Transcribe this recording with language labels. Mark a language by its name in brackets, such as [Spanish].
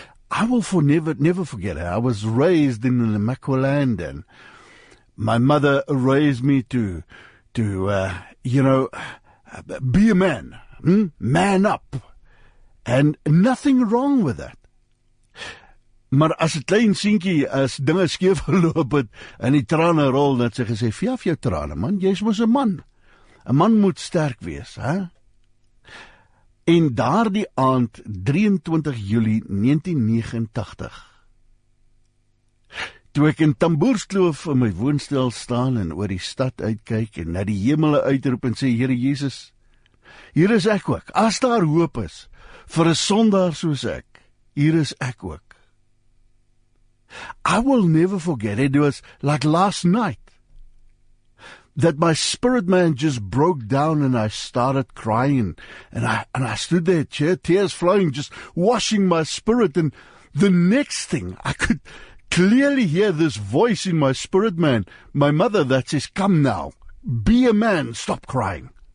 [English] I will never forget it. I was raised in the Macquarieland, and my mother raised me to be a man, man up, and nothing wrong with that. [Afrikaans] Maar as 'n klein seentjie as dinge skeef geloop het en die trane rol, dat sy gesê, "Vee af jou trane, man, jy is mos 'n man. 'N man moet sterk wees, hè?" En daardie aand, 23 Julie 1989, toe ek in Tamboerskloof in my woonstel staan en oor die stad uitkyk en na die hemele uitroep en sê, "Here Jesus, hier is ek ook. As daar hoop is vir 'n sondaar soos ek, hier is ek ook." [English] I will never forget, it was like last night, that my spirit man just broke down and I started crying. And I stood there, tears flowing, just washing my spirit. And the next thing, I could clearly hear this voice in my spirit man, my mother, that says, "Come now, be a man, stop crying."